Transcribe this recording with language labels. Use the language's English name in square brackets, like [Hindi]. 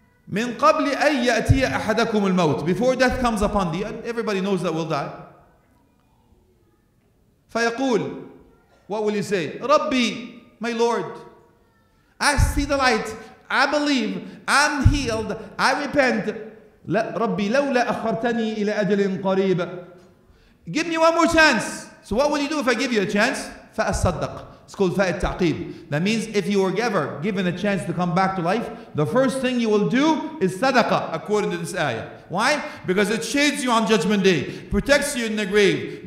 [Arabic] مِن قَبْلِ أَيَّ يَأْتِيَ أَحَدَكُمُ الْمَوْتِ. [English] Before death comes upon thee, everybody knows that we'll die. فيقول, what will you say? Rabbi, my Lord, I see the light, I believe, I'm healed, I repent. [Arabic] Rabbi, لولا أخرتني إلى أجل قريب. [English] Give me one more chance. So what will you do if I give you a chance? [Arabic] فأصدق. [English] It's called فأت تعقيب. That means if you were ever given a chance to come back to life, the first thing you will do is صدقة, according to this ayah. Why? Because it shades you on judgment day, protects you in the grave.